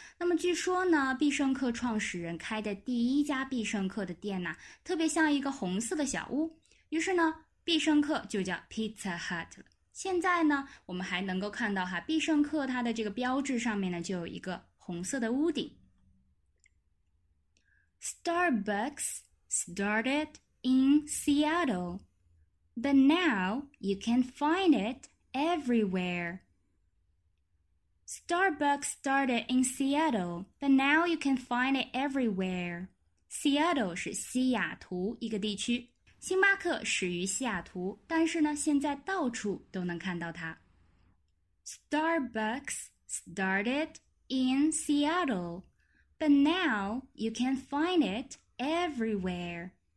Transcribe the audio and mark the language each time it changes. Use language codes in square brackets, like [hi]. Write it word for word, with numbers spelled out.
[zh] 那么据说呢必胜客创始人开的第一家必胜客的店呢特别像一个红色的小屋，于是呢必胜客就叫 Pizza Hut 了。现在呢我们还能够看到哈，必胜客它的这个标志上面呢就有一个红色的屋顶。 [en] Starbucks started in Seattle, but now you can find it everywhere. Starbucks started in Seattle, but now you can find it everywhere. [zh] Seattle 是西雅图一个地区，星巴克始于西雅图，但是呢，现在到处都能看到它。 [en] Starbucks started in Seattle, but now you can find it everywhere.